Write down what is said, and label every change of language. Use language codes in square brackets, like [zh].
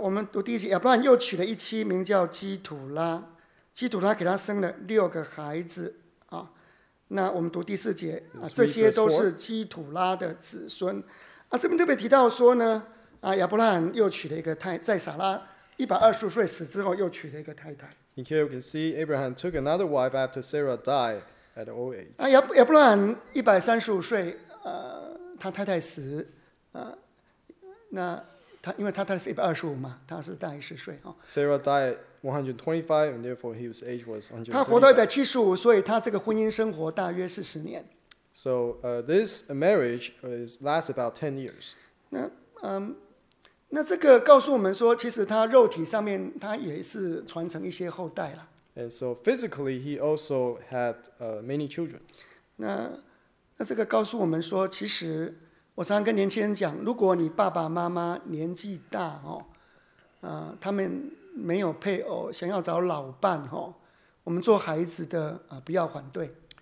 [zh] 我们读第一节, 亚伯拉罕又娶了一妻名叫基土拉, 基土拉给他生了六个孩子。那我们读第四节, 这些都是基土拉的子孙。这边特别提到说呢, 亚伯拉罕又娶了一个太, 在撒拉, 120岁死之后又娶了一个太太。 [en] In here you can see Abraham took another wife after Sarah died at an old age. [zh] 亚伯兰135岁, 他太太死, 因为他太太是125嘛, 他是大于10岁。 [en] Sarah died 125, and therefore his age was 135. [zh] 他活到175岁, 他这个婚姻生活大约是10年。 [en] So this marriage lasts about 10 years. [zh] 那这个告诉我们说, 其实他肉体上面他也是传承一些后代了。 [en] And so physically, he also had many children. [zh] 那这个告诉我们说, 其实我常常跟年轻人讲, 如果你爸爸妈妈年纪大, 他们没有配偶, 想要找老伴, 我们做孩子的, 不要反对。